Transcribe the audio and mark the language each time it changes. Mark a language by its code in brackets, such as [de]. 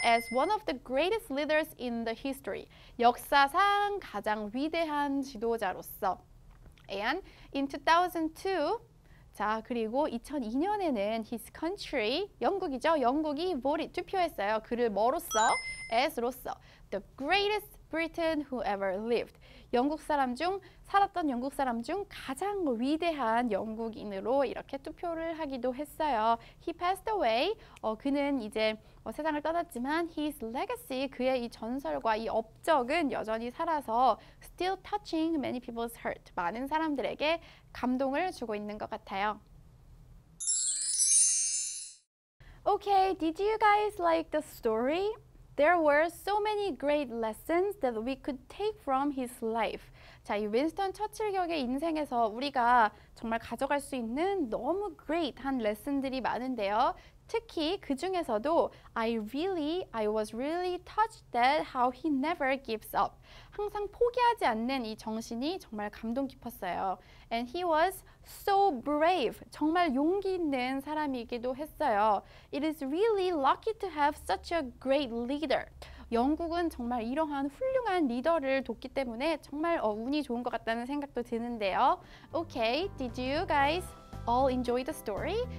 [en] As one of the greatest leaders in the history. [ko] 역사상 가장 위대한 지도자로서. [en] And in 2002, [ko] 자, 그리고 2002년에는 [en] his country, [ko] 영국이죠. 영국이 voted, 투표했어요. 그를 뭐로써? As로써. [en] The greatest Briton who ever lived. [ko] 영국 사람 중, 살았던 영국 사람 중 가장 위대한 영국인으로 이렇게 투표를 하기도 했어요. [en] He passed away. [ko] 그는 이제 세상을 떠났지만 [en] his legacy, [ko] 그의 이 전설과 이 업적은 여전히 살아서 [en] still touching many people's heart. [ko] 많은 사람들에게 감동을 주고 있는 것 같아요. [en] Okay, did you guys like the story? There were so many great lessons that we could take from his life. [ko] 자, 이 윈스턴 처칠 격의 인생에서 우리가 정말 가져갈 수 있는 너무 great한 레슨들이 많은데요. 특히 그 중에서도 [en] I was really touched at how he never gives up. [ko] 항상 포기하지 않는 이 정신이 정말 감동 깊었어요. [en] And he was so brave. [ko] 정말 용기 있는 사람이기도 했어요. [en] It is really lucky to have such a great leader. [ko] 영국은 정말 이러한 훌륭한 리더를 뒀기 때문에 정말 운이 좋은 것 같다는 생각도 드는데요. [en] Okay, did you guys all enjoy the story?